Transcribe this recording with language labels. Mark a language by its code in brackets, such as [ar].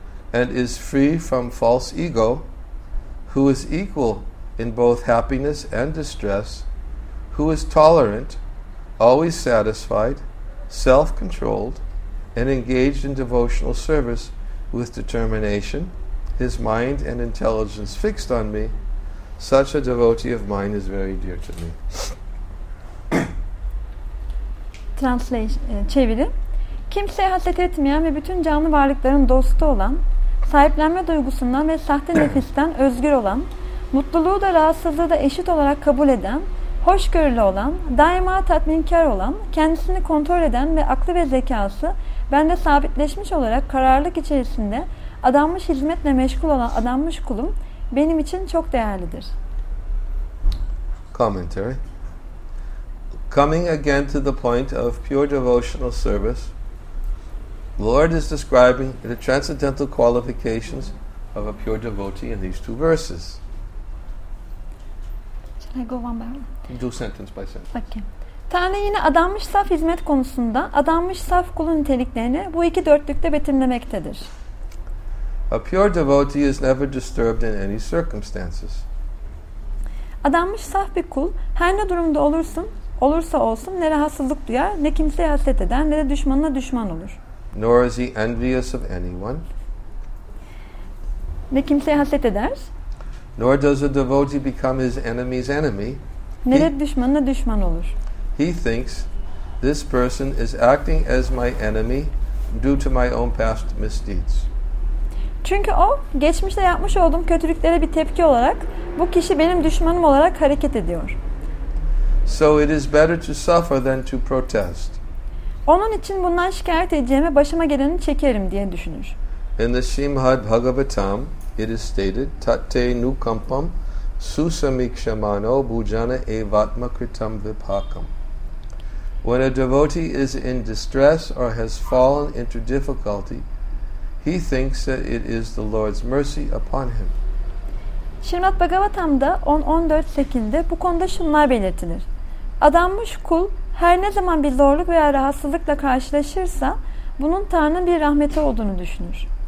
[en] and is free from false ego, who is equal in both happiness and distress, who is tolerant, always satisfied, self-controlled, and engaged in devotional service with determination, his mind and intelligence fixed on me, such a devotee of mine is very dear to me. Translation, [tr] çeviri. Kimseye haset etmeyen ve bütün canlı varlıkların dostu olan, sahiplenme duygusundan ve sahte nefisten özgür olan, mutluluğu da rahatsızlığı da eşit olarak kabul eden, hoşgörülü olan, daima tatminkar olan, kendisini kontrol eden ve aklı ve zekası bende sabitleşmiş olarak kararlılık içerisinde adanmış hizmetle meşgul olan adanmış kulum benim için çok değerlidir. [en] Commentary. Coming again to the point of pure devotional service, the Lord is describing the transcendental qualifications of a pure devotee in these two verses. Shall I go one by one? Do sentence by sentence. Okay. [tr] Tanrı yine adanmış saf hizmet konusunda adanmış saf kulun niteliklerini bu iki dörtlükte betimlemektedir. [en] A pure devotee is never disturbed in any circumstances. [tr] Adanmış saf bir kul her ne durumda olursa olsun ne rahatsızlık duyar, ne kimseye haset eder, ne de düşmanına düşman olur. [en] Nor is he envious of anyone. [tr] Ne kimseye haset eder. [en] Nor does a devotee become his enemy's enemy. [tr] Ne de düşmanına düşman olur. [en] He thinks, this person is acting as my enemy due to my own past misdeeds. [tr] Çünkü o, geçmişte yapmış olduğum kötülüklere bir tepki olarak, bu kişi benim düşmanım olarak hareket ediyor. [en] So it is better to suffer than to protest. [tr] Onun için bundan şikayet edeceğime başıma geleni çekerim diye düşünür. [en] In the Srimad Bhagavatam, it is stated, [sa] Tatte nukampam susamikshamano bhujana evatmakritam vipakam. [en] When a devotee is in distress or has fallen into difficulty, he thinks that it is the Lord's mercy upon him. [tr] Srimad Bhagavatam'da 10.14.8'de bu konuda şunlar belirtilir. Adanmış kul her ne zaman bir zorluk veya rahatsızlıkla karşılaşırsa bunun Tanrı'nın bir rahmeti olduğunu düşünür.